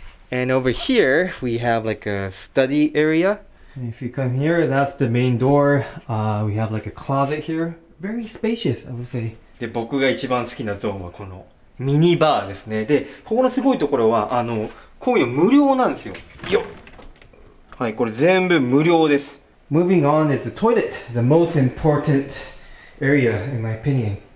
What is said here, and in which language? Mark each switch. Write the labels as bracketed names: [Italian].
[English] And over here, we have like a study area. And if you come here, that's the main door. We have like a closet here. Very spacious, I would say. [Japanese] で、僕が一番好きなゾーンはこの ミニバーですね。で、ここのすごいところは、あの、こういうの無料なんですよ。よっ。はい、これ全部無料です。 [English] Moving on is the toilet, the most important area in my opinion.